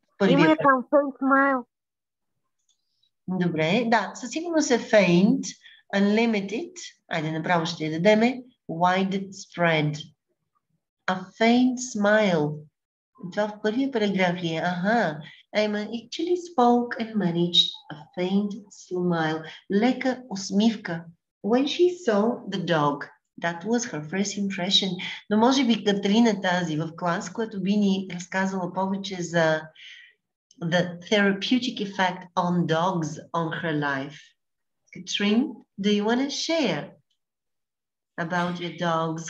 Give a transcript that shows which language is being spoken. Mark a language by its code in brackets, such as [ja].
[bg] Има е там faint smile. Добре, да, със сигурност е faint, unlimited, айде направо ще я дадеме, widespread. [en] A faint smile. [bg] Това в първия параграф ли е? Аха. [en] Emma actually spoke and managed a faint smile. [bg] Лека усмивка. [en] When she saw the dog, that was her first impression. [bg] Но може би Катрина тази в клас, която би ни разказала повече за [en] the therapeutic effect on dogs on her life. Катрин, do you want to share about your dogs?